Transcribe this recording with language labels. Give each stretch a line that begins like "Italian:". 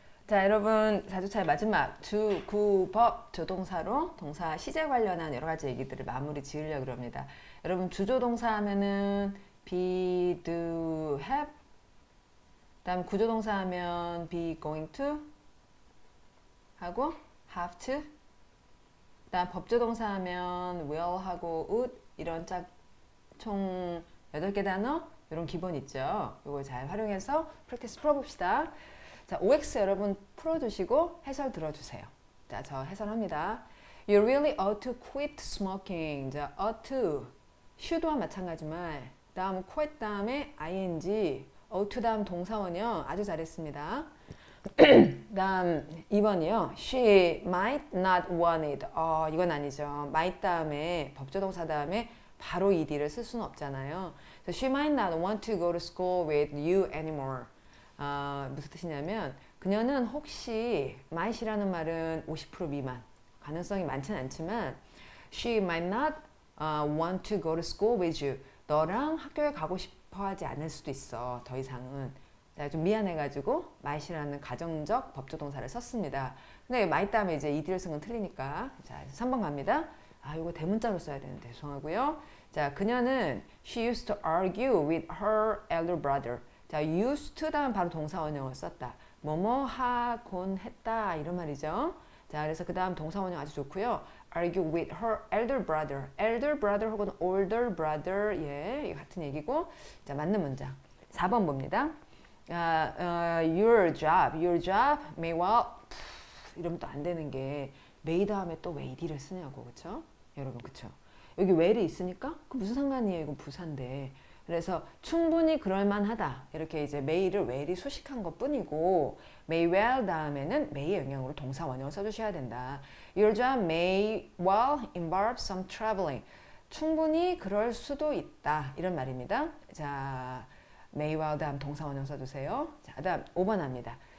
Korean: 자, 여러분, 4주차의 마지막 주구법 조동사로 동사 시제 관련한 여러 가지 얘기들을 마무리 지으려고 합니다. 여러분, 주조동사 하면은 be, do, have. 그다음 구조동사 하면 be going to 하고 have to. 그다음 법조동사 하면 will 하고 would 이런 짝총 8개 단어 이런 기본 있죠. 이걸 잘 활용해서 프랙티스 풀어봅시다. 자, OX 여러분 풀어주시고 해설 들어주세요. 자, 저 해설합니다.
English: You really ought to quit smoking. 자, ought to.
Korean: should와 마찬가지만, 다음 quit 다음에 ing. ought to 다음 동사원이요. 아주 잘했습니다. 다음 2번이요.
English: She might not want it.
Korean: 이건 아니죠. might 다음에 법조동사 다음에 바로 ed를 쓸 수는 없잖아요.
English: So she might not want to go to school with you anymore.
Korean: 무슨 뜻이냐면, 그녀는 혹시 might이라는 말은 50% 미만 가능성이 많진 않지만,
English: she might not want to go to school with you.
Korean: 너랑 학교에 가고 싶어 하지 않을 수도 있어. 더 이상은 내가 좀 미안해가지고 might이라는 가정적 법조동사를 썼습니다. 근데 might 다음에 이제 ed를 쓴건 틀리니까. 자, 3번 갑니다. 아, 이거 대문자로 써야 되는데 죄송하고요. 자, 그녀는
English: she used to argue with her elder brother.
Korean: 자, used to 다음 바로 동사원형을 썼다. 뭐뭐 하곤 했다 이런 말이죠. 자, 그래서 그 다음 동사원형 아주 좋고요.
English: argue with her elder brother. elder brother 혹은 older brother.
Korean: 예, 같은 얘기고. 자, 맞는 문장. 4번 봅니다.
English: your job may well
Korean: 이러면 또안 되는 게 may 다음에 또왜 ed를 쓰냐고. 그렇죠? 여러분, 그렇죠? 여기 well이 있으니까 그 무슨 상관이에요? 이건 부사인데. 그래서 충분히 그럴 만하다. 이렇게 이제 may를 well이 수식한 것뿐이고 may well 다음에는 may의 영향으로 동사 원형을 써주셔야 된다.
English: Your job may well involve some traveling.
Korean: 충분히 그럴 수도 있다. 이런 말입니다. 자, may well 다음 동사 원형 써주세요. 자, 그다음 5번 합니다.